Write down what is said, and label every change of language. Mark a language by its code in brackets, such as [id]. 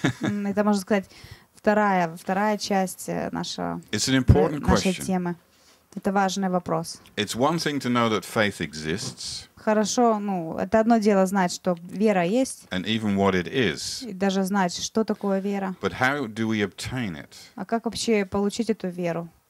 [ru] Это, можно сказать, вторая часть нашего. [en] It's an important question. [ru] Нашей темы. Это важный вопрос. [en] It's one thing to know that faith exists. [ru] Хорошо, ну, это одно дело знать, что вера есть. [en] And even what it is. [ru] И даже знать, что такое вера. [en] But how do we obtain it? [ru] А как вообще получить эту веру?